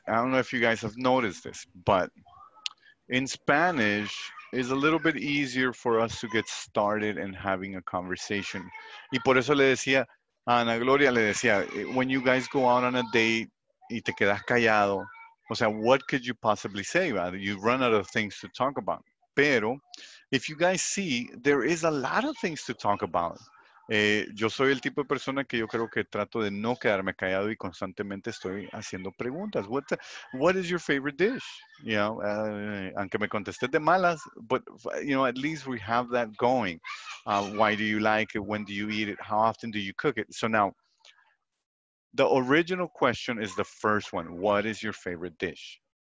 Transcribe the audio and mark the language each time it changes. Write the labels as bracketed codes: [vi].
[en] I don't know if you guys have noticed this, but in Spanish, is a little bit easier for us to get started and having a conversation. [es] Y por eso le decía, Ana Gloria le decía, [en] when you guys go out on a date [es] y te quedas callado, o sea, [en] what could you possibly say? You run out of things to talk about. [es] Pero, [en] if you guys see, there is a lot of things to talk about. [es] Yo soy el tipo de persona que yo creo que trato de no quedarme callado y constantemente estoy haciendo preguntas. [en] What is your favorite dish? You know, [es] aunque me contesté de malas, [en] but you know, at least we have that going. Why do you like it? When do you eat it? How often do you cook it? So now, The original question is the first one. What is your favorite dish?